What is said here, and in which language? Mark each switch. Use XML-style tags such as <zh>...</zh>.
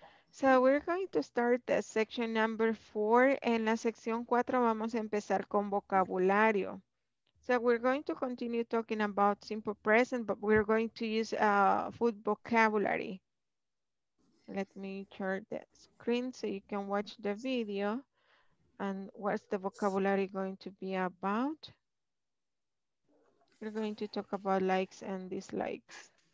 <en>So we're going to start the section number 4.</en> <es>En la sección 4 vamos a empezar con vocabulario.</es> <en>So we're going to continue talking about simple present, but we're going to use food vocabulary. Let me share the screen so you can watch the video. And what's the vocabulary going to be about? We're going to talk about likes and dislikes.</en>